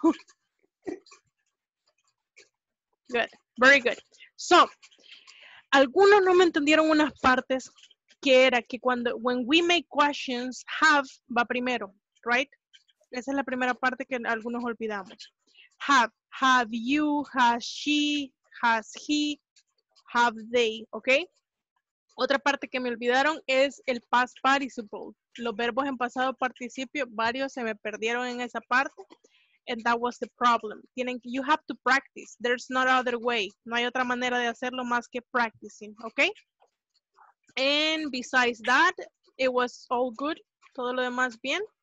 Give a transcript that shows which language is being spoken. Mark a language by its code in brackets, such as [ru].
[en] Good. Very good. [es] So, algunos no me entendieron unas partes. Que era que cuando, [en] when we make questions, [es] have va primero, right? Esa es la primera parte que algunos olvidamos. [en] Have you, has she, has he, have they, ¿ok? [es] Otra parte que me olvidaron es el past participle. Los verbos en pasado participio, varios se me perdieron en esa parte. [en] And that was the problem. You have to practice. There's not other way. [es] No hay otra manera de hacerlo más que practicing, ¿ok? [en] And besides that, it was all good. [es] Todo lo demás bien.